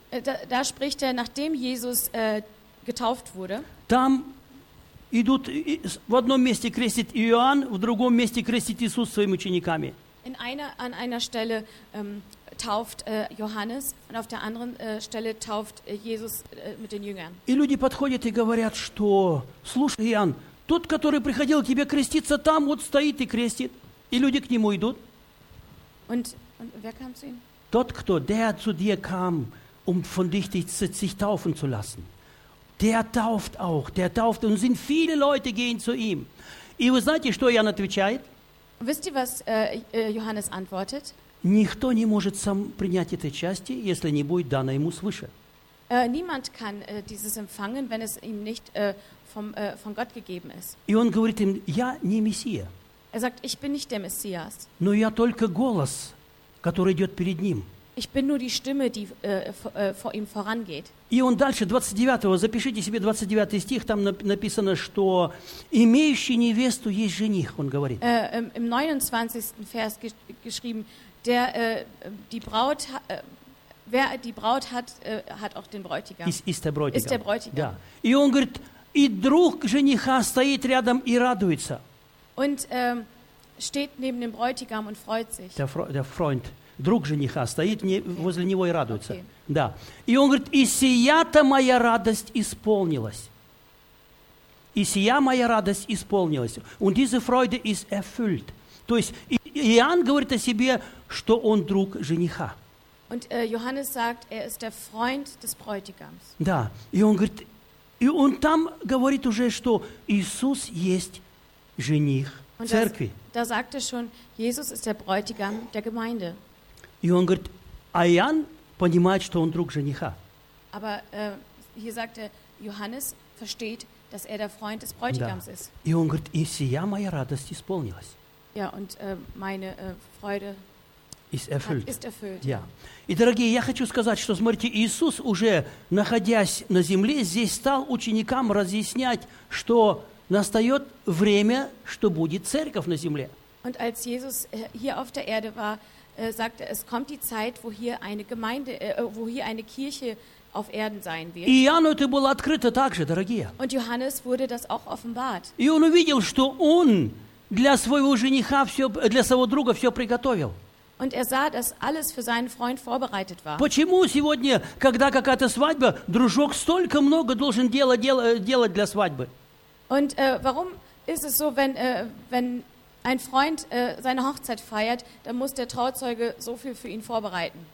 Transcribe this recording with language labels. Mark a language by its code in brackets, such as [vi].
[de] Da spricht er, nachdem Jesus getauft wurde. [ru] Там идут, в одном месте крестит Иоанн, в другом месте крестит Иисус своими учениками. [de] In einer, an einer Stelle tauft Johannes, und auf der anderen Stelle tauft Jesus mit den Jüngern. [ru] И люди подходят и говорят, что, слушай, Иоанн, тот, который приходил к тебе креститься, там вот стоит и крестит. И люди к нему идут. [de] Und wer kam zu ihm? [ru] Тот, кто, [de] der zu dir kam, um von dich sich taufen zu lassen. Der tauft auch. Und sind viele Leute gehen zu ihm. [ru] И вы знаете, что Иоанн отвечает? [de] Wisst ihr, was Johannes antwortet? [ru] Никто не может сам принять этой части, если не будет дано ему свыше. [de] Niemand kann dieses empfangen, wenn es ihm nicht von Gott gegeben ist. [ru] И он говорит им, я не Мессия. [de] Er sagt, ich bin nicht der Messias. [ru] Но я только голос, который идет перед ним. [de] Ich bin nur die Stimme, die vor ihm vorangeht. [ru] И он дальше, 29-го, запишите себе 29-й стих, там написано, что имеющий невесту есть жених, он говорит. [de] Im 29. Vers geschrieben, der die Braut, wer die Braut hat, hat auch den Bräutigam. Ist der Bräutigam. [ru] Да. И он говорит, и друг жениха стоит рядом и радуется. [de] Und steht neben dem Bräutigam und freut sich. Der Freund. [ru] Друг жениха стоит возле него и радуется. Okay. Да. И он говорит, и сия-то моя радость исполнилась. И сия моя радость исполнилась. [de] Und diese Freude ist erfüllt. [ru] То есть Иоанн говорит о себе, что он друг жениха. [de] Und Johannes sagt, er ist der Freund des Bräutigams. Да. [ru] И он говорит, и он там говорит уже, что Иисус есть жених Und церкви. [de] Da sagt er schon, Jesus ist der Bräutigam der Gemeinde. [ru] И он говорит, а Иоанн понимает, что он друг жениха. [de] Aber hier sagt er, Johannes versteht, dass er der Freund des Bräutigams ist. [ru] И он говорит, и сия моя радость исполнилась. [de] Ja, und meine Freude ist erfüllt. Ja. [ru] И, дорогие, я хочу сказать, что, смотрите, Иисус уже, находясь на земле, здесь стал ученикам разъяснять, что настает время, что будет церковь на земле. [de] Und als Jesus hier auf der Erde war, sagte, es kommt die Zeit, wo hier eine Gemeinde, wo hier eine Kirche auf Erden sein wird. [ru] Иоанну это было открыто также, дорогие. [de] Und Johannes wurde das auch offenbart. [ru] И он увидел, что он для своего жениха все, для своего друга все приготовил. [de] Und er sah, dass alles für seinen Freund vorbereitet war. [ru] Почему сегодня, когда какая-то свадьба, дружок столько много должен делать для свадьбы? [de] Und warum ist es so, wenn ein Freund seine Hochzeit feiert, dann muss der Trauzeuge so viel für ihn vorbereiten.